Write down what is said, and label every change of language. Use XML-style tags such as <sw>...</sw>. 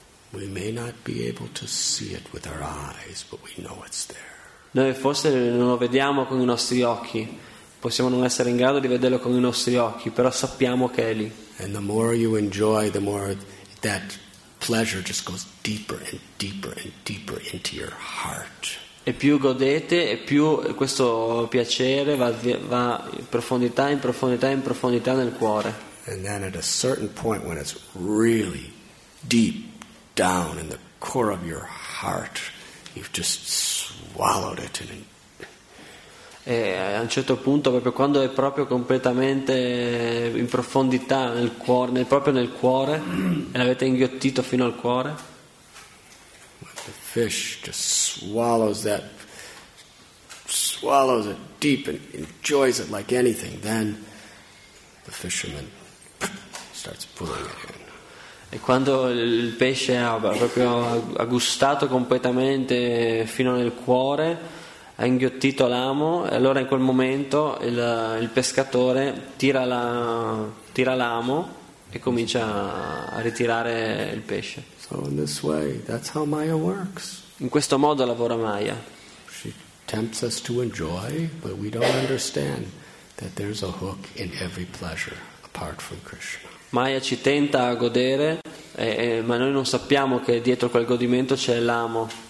<en>We may not be able to see it with our eyes, but we know it's there.</en> <it>Noi forse non lo vediamo con i nostri occhi, possiamo non essere in grado di vederlo con i nostri occhi, però sappiamo che è lì.</it> <en>And the more you enjoy, the more that pleasure just goes deeper and deeper and deeper into your heart.</en> <it>E più godete, e più questo piacere va in profondità, in profondità, in profondità nel cuore.</it> <en>And then at a certain point when it's really deep down in the core of your heart, you've just swallowed it.</en> <it>E a un certo punto, proprio quando è proprio completamente in profondità nel cuore, proprio nel cuore, e l'avete inghiottito fino al cuore.</it> <en>Fish just swallows it deep and enjoys it like anything. Then the fisherman starts pulling it in.</en> <it>E quando il pesce ha proprio gustato completamente fino nel cuore, ha inghiottito l'amo, e allora in quel momento il pescatore tira l'amo e comincia a ritirare il pesce.</it> <en>So in this way, that's how Maya works.</en> <it>In questo modo lavora Maya.</it> <en>She tempts us to enjoy, but we don't understand that there's a hook in every pleasure apart from Krishna.</en> <it>Maya ci tenta a godere, ma noi non sappiamo che dietro quel godimento c'è l'amo.</it>